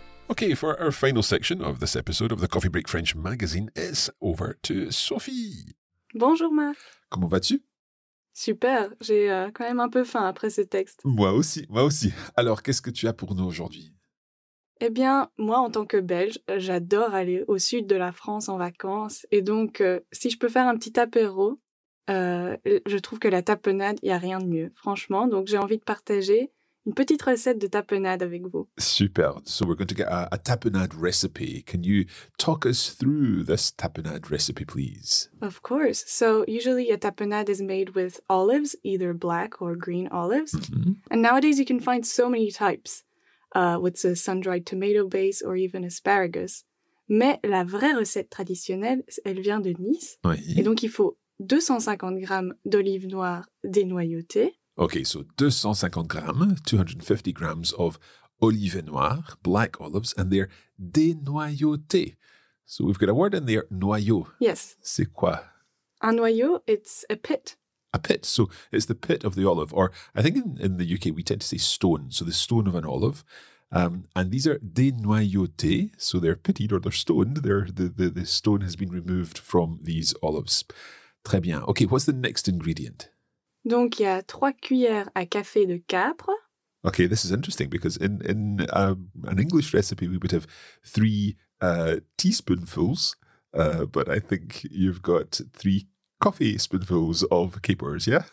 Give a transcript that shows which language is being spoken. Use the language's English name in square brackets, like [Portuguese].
[English] Okay, for our final section of this episode of the Coffee Break French magazine, it's over to Sophie. [French] Bonjour Marc. Comment vas-tu? Super, j'ai quand même un peu faim après ce texte. Moi aussi. Alors, qu'est-ce que tu as pour nous aujourd'hui? Eh bien, moi en tant que Belge, j'adore aller au sud de la France en vacances. Et donc, si je peux faire un petit apéro, je trouve que la tapenade, il n'y a rien de mieux, franchement. Donc, j'ai envie de partager une petite recette de tapenade avec vous. Super. [English] So we're going to get a tapenade recipe. Can you talk us through this tapenade recipe, please? Of course. So usually a tapenade is made with olives, either black or green olives. Mm-hmm. And nowadays you can find so many types, with a sun-dried tomato base or even asparagus. [French] Mais la vraie recette traditionnelle, elle vient de Nice. Oui. Et donc il faut 250 grammes d'olives noires dénoyautées. [English] Okay, so 250 grams of [French] olives noires, [English] black olives, and they're dénoyautées. So we've got a word in there, noyau. Yes. [French] C'est quoi? [English] Un noyau, it's a pit. A pit, so it's the pit of the olive. Or I think in the UK we tend to say stone, so the stone of an olive. And these are dénoyautées, so they're pitted or they're stoned. The stone has been removed from these olives. [French] Très bien. [English] Okay, what's the next ingredient? [French] Donc, il y a 3 cuillères à café de capre. [English] Okay, this is interesting because in an English recipe, we would have 3 teaspoonfuls, but I think you've got 3 coffee spoonfuls of capers, yeah?